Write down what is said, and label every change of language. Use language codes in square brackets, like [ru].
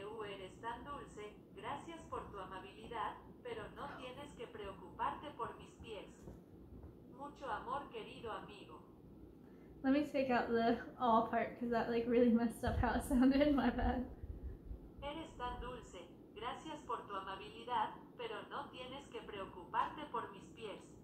[es] Eres tan dulce, gracias por tu amabilidad, pero no tienes que preocuparte por mis pies. Mucho amor, querido amigo. [en] Let me take out the all part, because that like really messed up how it sounded, my bad. [es] Eres tan dulce, gracias por tu amabilidad, pero no tienes que preocuparte por mis pies.